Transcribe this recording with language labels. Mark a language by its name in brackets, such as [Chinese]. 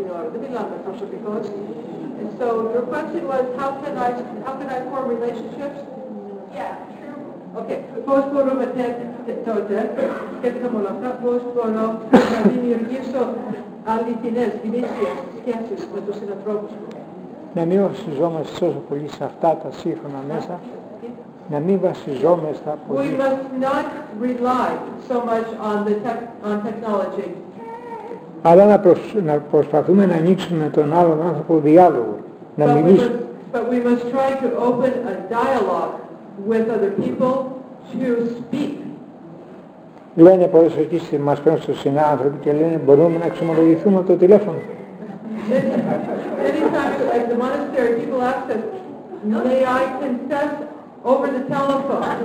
[English] So your question was, how can I form relationships? Yeah, true. [Greek] Okay. Πώς μπορώ μετά τότε, σκέφτηκα μόνο αυτά, πώς μπορώ να δημιουργήσω αληθινές, γνήσιες σχέσεις με τους συνανθρώπους μου. Να μην βασιζόμαστε τόσο πολύ σε αυτά τα σύγχρονα μέσα, να μην βασιζόμαστε πολύ. [English] We must not rely so much on on technology. [Greek] Αλλά να προσπαθούμε να ανοίξουμε τον άλλον άνθρωπο διάλογο, να μιλήσουμε. [English] But we must try to open a dialogue with other people to speak. [Greek] Λένε πολλές φορές, μας παίρνουν στο συνάδελφο και λένε, μπορούμε να εξομολογηθούμε το τηλέφωνο. [English] Many times at the monastery, people ask us, may I confess over the telephone?